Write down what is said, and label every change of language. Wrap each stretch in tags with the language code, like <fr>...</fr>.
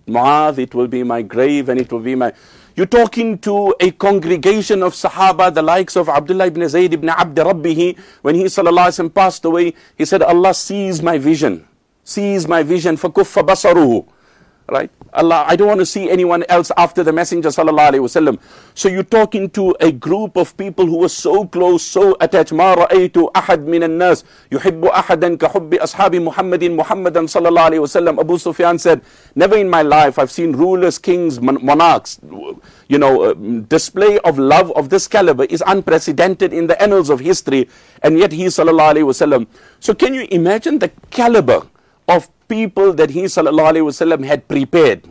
<en>Mu'adh, it will be my grave and it will be my... You're talking to a congregation of Sahaba, the likes of Abdullah ibn Zayd ibn Abd Rabbihi. When he, sallallahu alayhi wa sallam, passed away, he said, Allah sees my vision. Sees my vision.</en> <ar>فَكُفَّ بَصَرُهُ. Right?</ar> <en>Allah, I don't want to see anyone else after the Messenger, sallallahu alayhi wa sallam. So you're talking to a group of people who were so close, so attached.</en> <ar>مَا رَأَيْتُ أَحَدْ مِنَ النَّاسِ يُحِبُّ أَحَدًا كَحُبِّ أَصْحَابِ مُحَمَّدٍ مُحَمَّدًا sallallahu alayhi wa sallam.</ar> <en>Abu Sufyan said, never in my life I've seen rulers, kings, monarchs, you know, display of love of this caliber is unprecedented in the annals of history. And yet he, sallallahu alayhi wa sallam. So can you imagine the caliber of people that he, sallallahu alayhi wasallam, had prepared?</en>